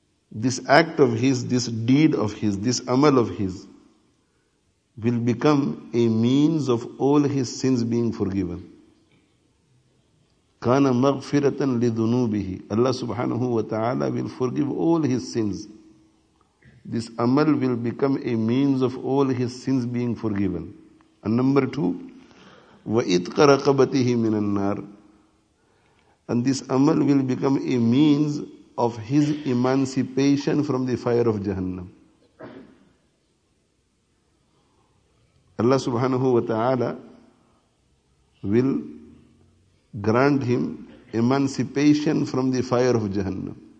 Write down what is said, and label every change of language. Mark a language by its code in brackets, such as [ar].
[en] This act of his, this deed of his, this amal of his will become a means of all his sins being forgiven. [ar] Kana maghfiratan lidunubihi. [en] Allah subhanahu wa ta'ala will forgive all his sins. This amal will become a means of all his sins being forgiven. And number two, [ar] وَإِتْقَ رَقَبَتِهِ مِنَ النَّارِ. [en] And this amal will become a means of his emancipation from the fire of Jahannam. Allah subhanahu wa ta'ala will grant him emancipation from the fire of Jahannam.